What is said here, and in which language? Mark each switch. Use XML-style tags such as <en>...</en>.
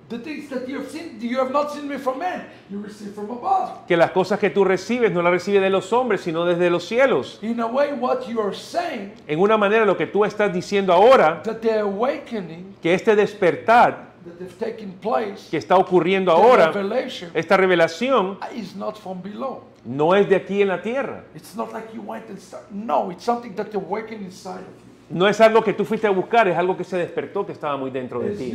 <en>The things that you have seen, you have not seen me from men. You receive from above.</en> <es>Que las cosas que tú recibes no las recibes de los hombres, sino desde los cielos.</es> <en>In a way, what you are saying.</en> <es>En una manera, lo que tú estás diciendo ahora.</es> <en>That the awakening.</en> <es>Que este despertar.</es> <en>That has taken place.</en> <es>Que está ocurriendo ahora.</es> <en>Revelation.</en> <es>Esta revelación.</es> <en>Is not from below.</en> <es>No es de aquí en la tierra.</es> <en>It's not like you went and started. No, it's something that awakened inside of you.</en> <es>No es algo que tú fuiste a buscar, es algo que se despertó, que estaba muy dentro de ti.</es>